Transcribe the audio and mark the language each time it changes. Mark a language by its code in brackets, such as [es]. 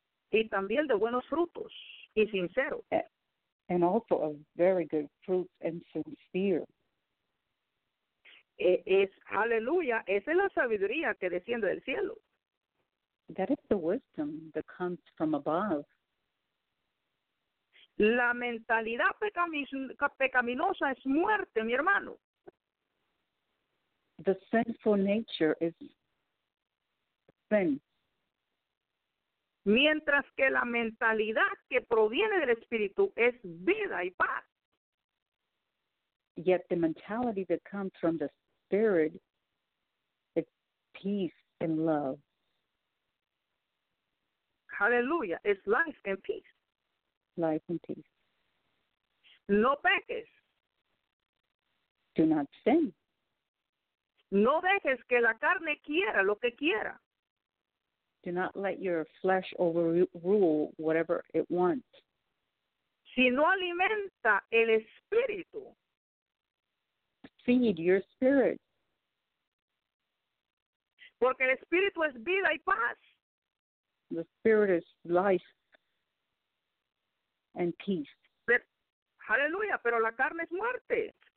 [es] Y también de buenos frutos y sincero. [en] And also of very good fruits and sincere. [es] Es, aleluya, esa es la sabiduría que desciende del cielo. [en] That is the wisdom that comes from above. [es] La mentalidad pecaminosa es muerte, mi hermano. [en] The sinful nature is sin. [es] Mientras que la mentalidad que proviene del Espíritu es vida y paz. [en] Yet the mentality that comes from the Spirit is peace and love. Hallelujah, it's life and peace. Life and peace. [es] No peques. [en] Do not sin. [es] No dejes que la carne quiera lo que quiera. [en] Do not let your flesh overrule whatever it wants. [es] Si no alimenta el espíritu. [en] Feed your spirit. [es] Porque el espíritu es vida y paz. [en] The spirit is life and peace. [es] Pero, hallelujah, pero la carne es muerte.